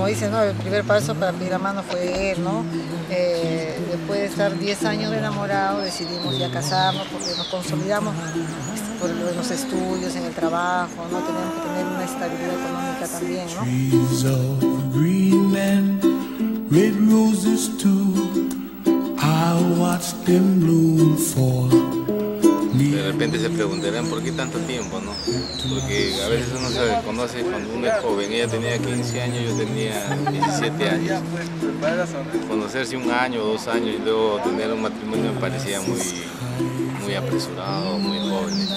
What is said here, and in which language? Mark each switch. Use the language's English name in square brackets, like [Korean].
[Spanish] No, el primer paso para pedir la mano fue él, ¿no? Después de estar 10 años de enamorado, decidimos ya casarnos porque nos consolidamos por los estudios, en el trabajo, ¿no? Tenemos que tener una estabilidad económica también, ¿no? [English] Trees of green and red roses too, I watched them bloom for. [Spanish] De repente se preguntarán por qué tanto tiempo, ¿no? Porque a veces uno se conoce cuando uno es joven. Ella tenía 15 años, yo tenía 17 años. Conocerse un año o dos años y luego tener un matrimonio me parecía muy, muy apresurado, muy joven.